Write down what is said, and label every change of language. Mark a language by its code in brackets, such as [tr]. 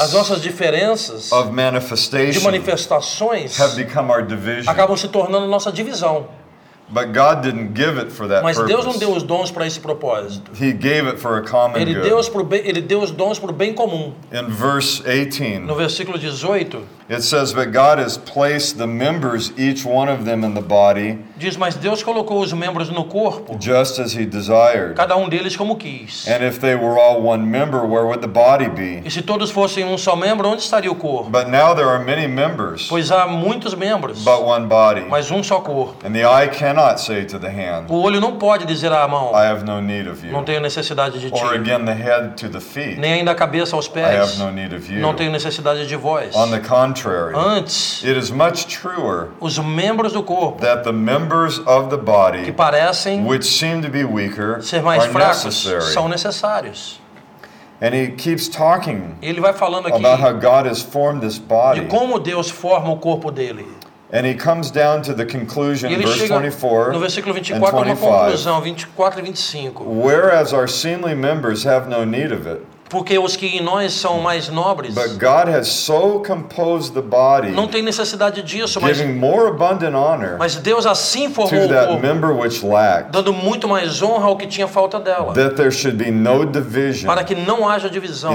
[pt] as nossas diferenças [en] of manifestation, [pt] de manifestações, [en] have become our division, [pt] acabam se tornando nossa divisão. [en] But God didn't give it for that [pt] mas [en] purpose. [pt] Deus não deu os dons para esse propósito. [en] He gave it for a common [pt] ele [en] good. [pt] Deu os pro bem, ele deu os dons para o bem comum. [en] In verse 18, [pt] no versículo 18, [en] it says, but God has placed the members, each one of them, in the body. [pt] Diz, mas Deus colocou os membros no corpo. [en] Just as He desired. [pt] Cada um deles como quis. [en] And if they were all one member, where would the body be? [pt] E se todos fossem um só membro, onde estaria o corpo? [en] But now there are many members. [pt] Pois há muitos membros. [en] But one body. [pt] Mas um só corpo. [en] And the eye cannot say to the hand. [pt] O olho não pode dizer à mão. [en] I have no need of you. [pt] Não tenho necessidade de ti. [en] Or again, the head to the feet. [pt] Nem ainda a cabeça aos pés. [en] I have no need of you. [pt] Não tenho necessidade de vós. [en] On the contrary. contrary, [pt] antes, [en] it is much truer, [pt] os membros do corpo, [en] that the members of the body, [pt] que parecem, [en] which seem to be weaker, [pt] ser mais [en] are [pt] fracos, [en] necessary. [pt] São necessários. [en] And he keeps talking, [pt] ele vai falando aqui, [en] about how God has formed this body, [pt] de como Deus forma o corpo dele. [en] And he comes down to the conclusion in verse 24 [pt] no versículo 24 [en] and [pt] 25, conclusão, 24 e 25. [en] Whereas our seemly members have no need of it. [pt] Porque os que em nós são mais nobres, [en] but God has so composed the body, [pt] não tem necessidade disso, [en] giving more abundant honor, [pt] mas Deus assim formou [en] to that [pt] o corpo, [en] member which lacked, [pt] dando muito mais honra ao que tinha falta dela, [en] that there should be no division, [pt] para que não haja divisão